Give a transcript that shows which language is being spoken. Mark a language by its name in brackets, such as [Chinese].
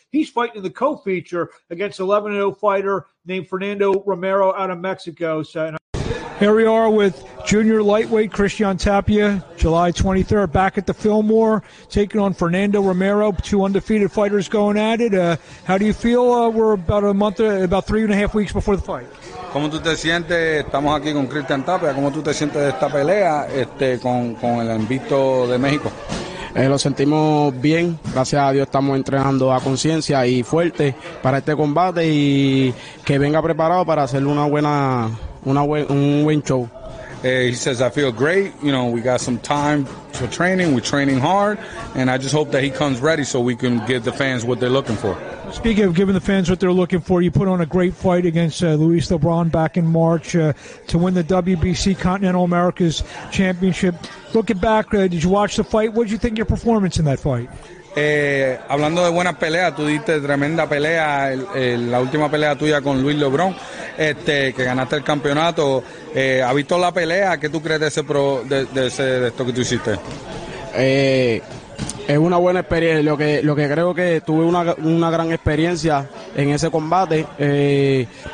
[English] He's fighting the co-feature against 11-0 fighter named Fernando Romero out of Mexico. Here we are with junior lightweight Christian Tapia, July 23rd, back at the Fillmore, taking on Fernando Romero, two undefeated fighters going at it. How do you feel? We're about a month, about 3.5 weeks before the fight. [Spanish] ¿Cómo tú te sientes? Estamos aquí con Christian Tapia. ¿Cómo tú te sientes de esta pelea con el invicto de México? Lo sentimos bien. Gracias a Dios estamos entrenando a conciencia y fuerte para este combate y que venga preparado para hacer una buena... Un buen show. [English] He says, I feel great. You know, we got some time for training. We're training hard. And I just hope that he comes ready so we can give the fans what they're looking for. Speaking of giving the fans what they're looking for, you put on a great fight against Luis LeBron back in March to win the WBC Continental Americas Championship. Looking back, did you watch the fight? What did you think of your performance in that fight? [Spanish] Hablando de buenas peleas, tú diste tremenda pelea, la última pelea tuya con Luis LeBron, que ganaste el campeonato. ¿Has visto la pelea? ¿Qué tú crees de ese pro, de esto que tú hiciste? Es una buena experiencia. Lo que creo que tuve una gran experiencia en ese combate.